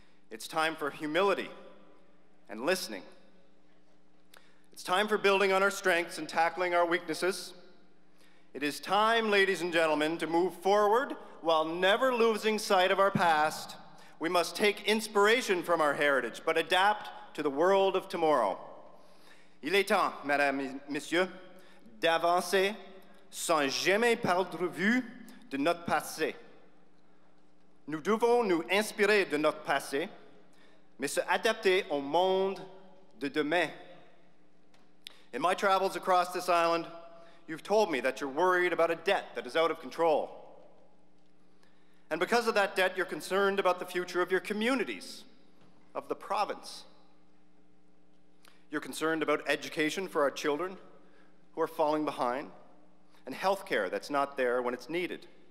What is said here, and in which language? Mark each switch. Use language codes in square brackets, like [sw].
[en] It's time for humility and listening. It's time for building on our strengths and tackling our weaknesses. It is time, ladies and gentlemen, to move forward while never losing sight of our past. We must take inspiration from our heritage, but adapt to the world of tomorrow. [fr] Il est temps, madame, monsieur, d'avancer sans jamais perdre vue de notre passé. Nous devons nous inspirer de notre passé, mais se adapter au monde de demain. [en] In my travels across this island, you've told me that you're worried about a debt that is out of control. And because of that debt, you're concerned about the future of your communities, of the province. You're concerned about education for our children, who are falling behind, and healthcare that's not there when it's needed.